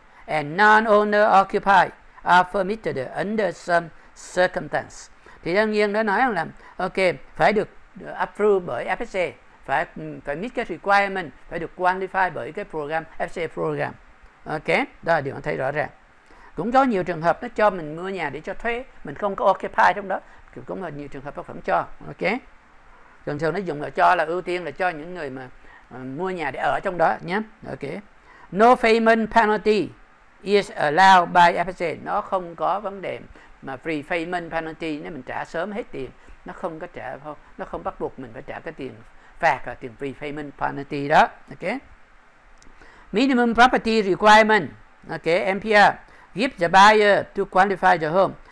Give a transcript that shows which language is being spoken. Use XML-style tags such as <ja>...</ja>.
<en>And non-owner occupied are permitted under some circumstance.</en> <vi>Thì đương nhiên nó nói rằng là ok, phải được approve bởi FSA. Phải meet cái requirement, phải được qualify bởi cái program, FSA program. Ok, đó là điều anh thấy rõ ràng. Cũng có nhiều trường hợp nó cho mình mua nhà để cho thuê, mình không có occupy trong đó, cũng là nhiều trường hợp nó vẫn cho. Ok, thường thường nó dùng là cho, là ưu tiên là cho những người mà mua nhà để ở trong đó nhé.</vi> <en>Ok, no payment penalty is allowed by FSA.</en> <vi>Nó không có vấn đề mà prepayment penalty, nếu mình trả sớm hết tiền nó không có trả, nó không bắt buộc mình phải trả cái tiền phạt, tiền prepayment penalty đó.</vi> <en>Ok, minimum property requirement. Ok, MPR give the buyer to qualify the home.</en>